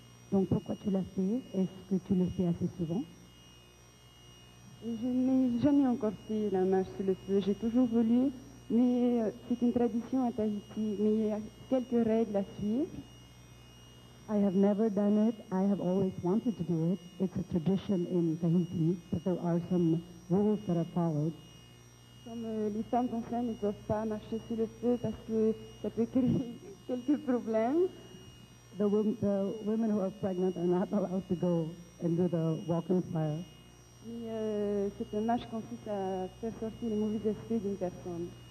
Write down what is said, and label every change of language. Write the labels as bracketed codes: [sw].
[fr] Donc pourquoi tu l'as fait? Est-ce que tu le fais assez souvent? Je n'ai jamais encore fait la marche sur le feu. J'ai toujours voulu Mais c'est une tradition à Tahiti, mais il y a quelques règles à suivre. [en] I have never done it. I have always wanted to do it. It's a tradition in Tahiti, but there are some rules that are followed. [fr] Comme les femmes enceintes ne doivent pas marcher sur le feu parce que ça peut créer quelques problèmes. [en] The women who are pregnant are not allowed to go and do the walking fire. [fr] C'est un marche consiste à faire sortir les mauvais esprits d'une personne.